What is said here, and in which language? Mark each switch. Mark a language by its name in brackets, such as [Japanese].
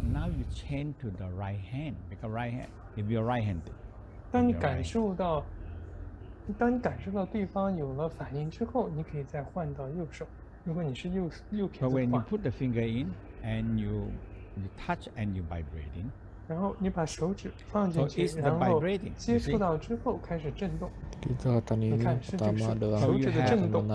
[English] Now you change to the right hand because right hand, if you're right-handed. [Chinese] 当你感受到对方有了反应之后，你可以再换到右手。如果你是右撇子的话。 [English] So when you put the finger in and you touch and you vibrating. [Chinese] 然后你把手指放进去，然后接触到之后开始震动。你看，是这个手指的震动。